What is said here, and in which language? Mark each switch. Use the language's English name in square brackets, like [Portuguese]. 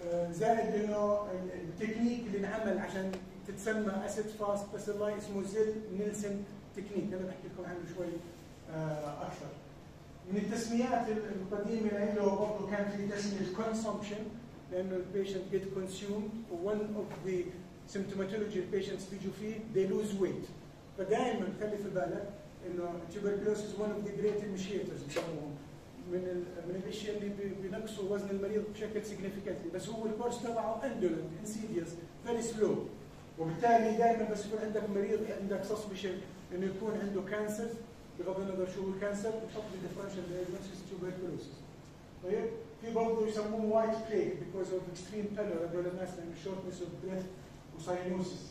[Arabic] زائد انه التكنيك اللي انعمل عشان تتسمى اسيد فاست باسيلاي اسمه زيل نيلسون تكنيك، انا بحكي لكم عنه شوي اكثر. من التسميات القديمه له برضه كان في تسميه كونسومشن، لانه البيشنت جيت كونسيومد، [English] one of the symptomatology patients [Arabic] بيجوا فيه [English] they lose weight. [Arabic] فدائما خلي في بالك انه tuberculosis [English] one of the great initiators [Arabic] بيسموهم من الاشياء اللي بينقصوا وزن المريض بشكل significant. بس هو الكورس تبعه [English] indolent insidious very slow. [Arabic] وبالتالي دائما بس يكون عندك مريض عندك suspicion انه يكون عنده cancer بغض النظر شو هو الكانسر بتحط لي differential diagnosis tuberculosis. طيب في برضه يسموه white plague [English] because of extreme pallor [Arabic] هذول الناس لانه shortness of breath وساينوسيس.